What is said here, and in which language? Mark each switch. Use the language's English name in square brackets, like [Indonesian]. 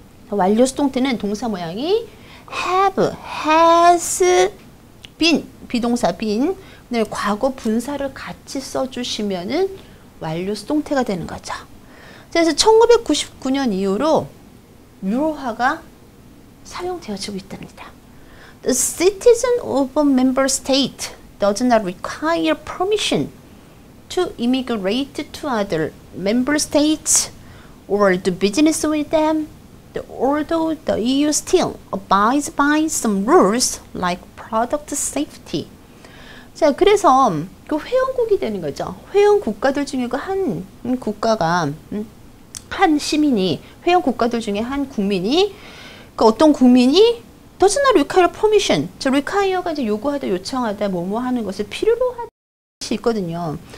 [Korean] 완료 수동태는 동사 모양이 have, has been, 비동사 been, 네, 과거 분사를 같이 써주시면은 완료 수동태가 되는 거죠. 자, 그래서 1999년 이후로 유로화가 사용되어지고 있답니다. [English] The citizen of a member state does not require permission to immigrate to other member states or do business with them, although the EU still abides by some rules like product safety. [Korean] 자, 그래서 그 회원국이 되는 거죠. 회원 국가들 중에 그 한 국가가, 한 시민이, 회원 국가들 중에 한 국민이, 그 어떤 국민이 [English] does not require permission. [Korean] 저 require가 이제 요구하다, 요청하다, 뭐뭐 하는 것을 필요로 하는 것이 있거든요.